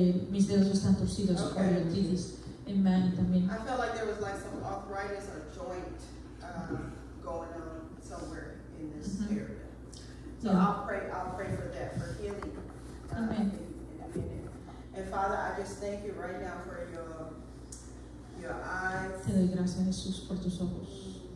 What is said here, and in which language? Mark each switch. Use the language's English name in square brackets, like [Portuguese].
[Spanish] Mis dedos están torcidos por la artritis. En mano también. [English] I felt like there was like some arthritis or joint going on somewhere. In this area. So yeah. I'll pray for that, for healing. Amen. And Father, I just thank you right now for your eyes. [Spanish] Te doy gracias, Jesús, por tus ojos.